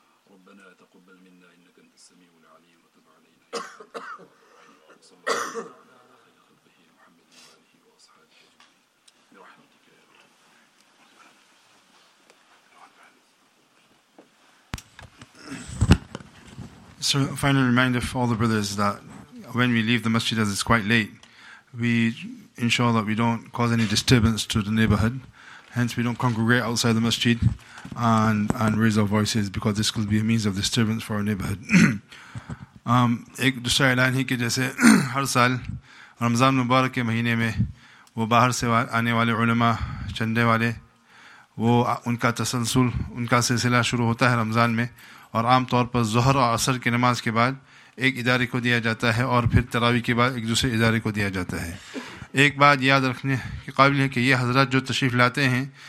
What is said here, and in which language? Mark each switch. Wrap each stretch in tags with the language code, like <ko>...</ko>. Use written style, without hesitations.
<ar>ربنا تقبل منا إنك أنت السميع العليم وتب علينا وصلى الله على خير خلقه محمد وآله وأصحابه أجمعين برحمتك يا رب العالمين.</ar> <en>So, a final reminder for all the brothers that when we leave the masjid, as it's quite late, we ensure that we don't cause any disturbance to the neighborhood. Hence, we don't congregate outside the masjid and raise our voices because this could be a means of disturbance for our neighborhood.</en> <ur>ایک دوسرا اعلان ہے کہ جیسے ہر سال رمضان مبارک کے مہینے میں وہ باہر سے آنے والے علماء چندے والے وہ ان کا تسلسل ان کا سلسلہ شروع ہوتا ہے رمضان میں اور عام طور پر ظہر اور عصر کی نماز کے بعد ایک ادارے کو دیا جاتا ہے اور پھر تراویح کے بعد ایک دوسرے ادارے کو دیا جاتا ہے ایک بات یاد رکھنے کے قابل ہے کہ یہ حضرات جو تشریف لاتے ہیں</ur>